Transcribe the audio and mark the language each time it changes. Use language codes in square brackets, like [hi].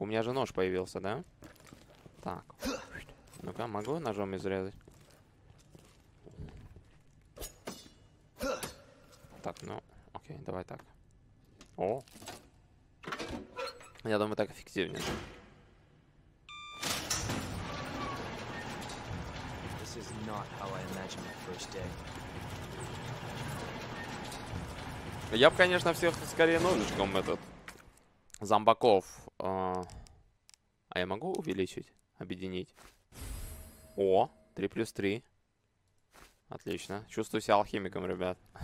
[ru] У меня же нож появился, да? Так. Ну-ка, могу ножом изрезать? Так, ну, окей, давай так. О! Я думаю, так эффективнее. [en] This is not how I imagined my first day. [ru] Я бы, конечно, всех скорее ножичком этот... Зомбаков. А я могу увеличить? Объединить. О, 3 плюс 3. Отлично. Чувствую себя алхимиком, ребят.